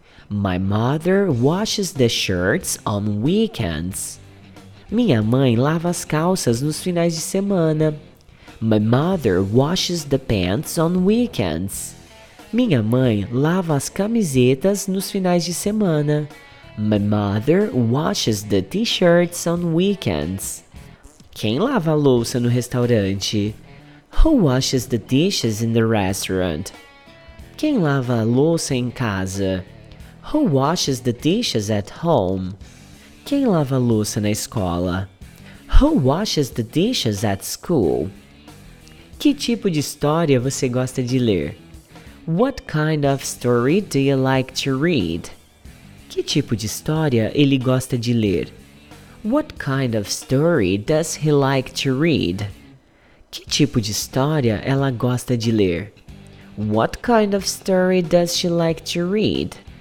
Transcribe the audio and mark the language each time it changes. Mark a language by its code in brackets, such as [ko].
[en] My mother washes the shirts on weekends. [pt] Minha mãe lava as calças nos finais de semana. [en] My mother washes the pants on weekends. [pt] Minha mãe lava as camisetas nos finais de semana. [en] My mother washes the t-shirts on weekends. [pt] Quem lava a louça no restaurante? [en] Who washes the dishes in the restaurant? [pt] Quem lava a louça em casa? [en] Who washes the dishes at home? [pt] Quem lava a louça na escola? [en] Who washes the dishes at school? [pt] Que tipo de história você gosta de ler? [en] What kind of story do you like to read? [pt] Que tipo de história ele gosta de ler? [en] What kind of story does he like to read? [pt] Que tipo de história ela gosta de ler? [en] What kind of story does she like to read?